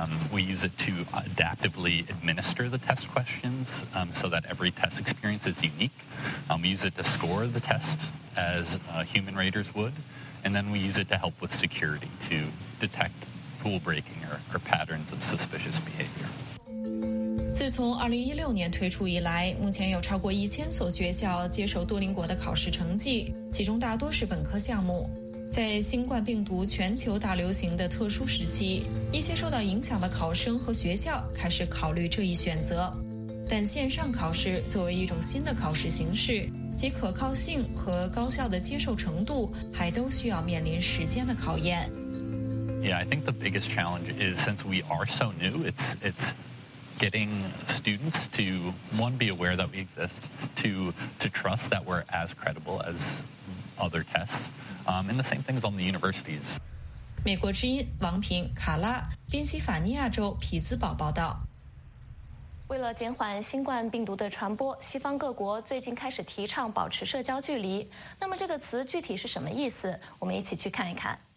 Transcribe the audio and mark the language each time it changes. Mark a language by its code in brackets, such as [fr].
[en] We use it to adaptively administer the test questions so that every test experience is unique. We use it to score the test as human raters would. And then we use it to help with security to detect rule breaking or patterns of suspicious behavior. [zh] 自从2016年推出以来，目前有超过 1000所学校接受多邻国的考试成绩，其中大多是本科项目。在新冠病毒全球大流行的特殊时期，一些受到影响的考生和学校开始考虑这一选择。但线上考试作为一种新的考试形式，其可靠性和高效的接受程度还都需要面临时间的考验。Yeah, [en] I think the biggest challenge is since we are so new, it's getting students to, one, be aware that we exist, to trust that we're as credible as other tests. And the same thing is on the universities. [zh] 美国之音王平卡拉宾夕法尼亚州匹兹堡报道。为了减缓新冠病毒的传播，西方各国最近开始提倡保持社交距离。那么这个词具体是什么意思？我们一起去看一看。